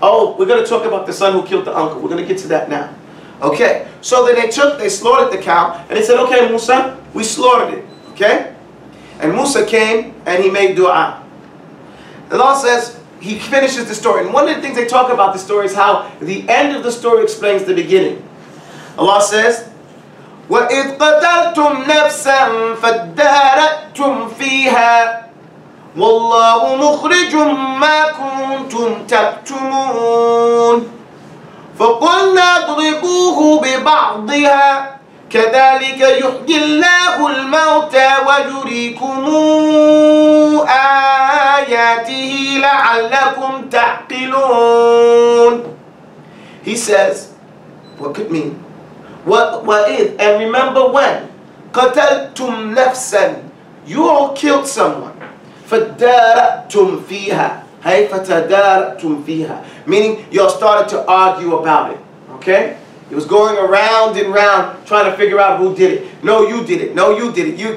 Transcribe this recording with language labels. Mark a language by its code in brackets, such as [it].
[en] Oh, we're going to talk about the son who killed the uncle. We're going to get to that now. Okay, so then they slaughtered the cow, and they said, okay, Moosaa, we slaughtered it, okay? And Moosaa came, and he made dua. Allah says, he finishes the story. And one of the things they talk about the story is how the end of the story explains the beginning. Allah says, [ar] وَإِذْ قَتَلْتُمْ نَفْسًا فَادَّارَأْتُمْ فِيهَا وَاللَّهُ مُخْرِجٌ مَا كُنْتُمْ تَكْتُمُونَ فَقُلْنَا اضْرِبُوهُ بِبَعْضِهَا كَذَلِكَ يُحْيِي اللَّهُ الْمَوْتَى وَيُرِيكُمُ آيَاتِهِ لَعَلَّكُمْ تَعْقِلُونَ. [en] He says, what could mean? [ar] وَإِذْ, [en] and remember when, [ar] قَتَلْتُمْ نَفْسًا, [en] you all killed someone, [ar] فَدَّارَأْتُمْ فِيهَا, [en] hey, [ar] فَتَدَارَأْتُمْ فِيهَا, [en] meaning y'all started to argue about it, okay? It was going around and around trying to figure out who did it. No, you did it. No, you did it.